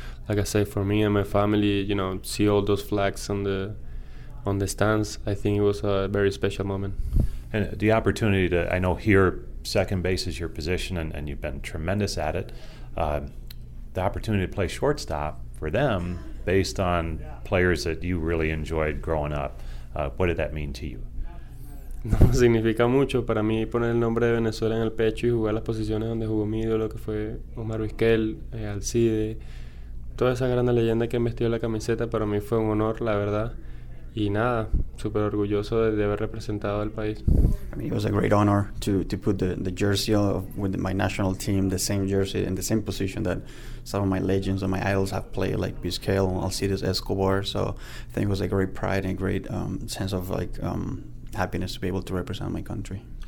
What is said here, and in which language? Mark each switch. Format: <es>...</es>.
<en>Like I said, for me and my family, you know, see all those flags on the stands, I think it was a very special moment. And the opportunity to, I know here, second base is your position, and you've been tremendous at it. The opportunity to play shortstop for them, based on players that you really enjoyed growing up, what did that mean to you?</en> <es>No significa mucho para mí poner el nombre de Venezuela en el pecho y jugar las posiciones donde jugó mi ídolo, que fue Omar Vizquel, Alcide, toda esa gran leyenda que han vestido la camiseta. Para mí fue un honor, la verdad. Y nada, súper orgulloso de haber representado al país.</es> <en>I mean, it was a great honor to put the jersey of, with my national team, the same jersey in the same position that some of my legends and my idols have played, like Vizquel, Alcides, Escobar. So I think it was a great pride and a great sense of like happiness to be able to represent my country.</en>